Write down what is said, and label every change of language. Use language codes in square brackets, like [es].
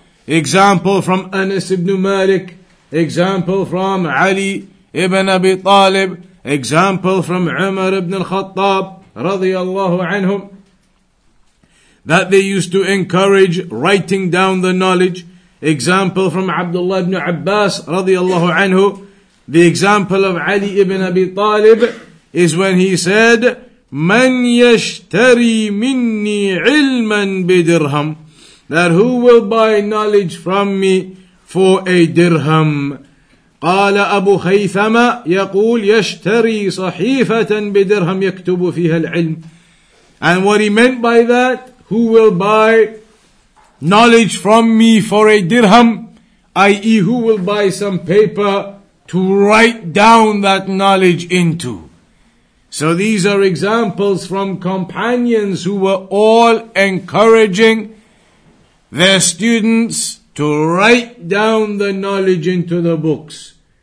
[en] Example from Anas ibn Malik, example from Ali ibn Abi Talib, example from Umar ibn al-Khattab radiyallahu anhum, that they used to encourage writing down the knowledge. Example from Abdullah ibn Abbas radiyallahu anhu, The example of Ali ibn Abi Talib is when he said, [ar] "Man yashtari minni ilman bidirham," [en] that who will buy knowledge from me for a dirham? [ar] قال أبو خيثمة يقول يشتري صحيفة بدرهم يكتب فيها العلم. [en] And what he meant by that, who will buy knowledge from me for a dirham, i.e. who will buy some paper to write down that knowledge into. So these are examples from companions who were all encouraging their students to write down the knowledge into the books.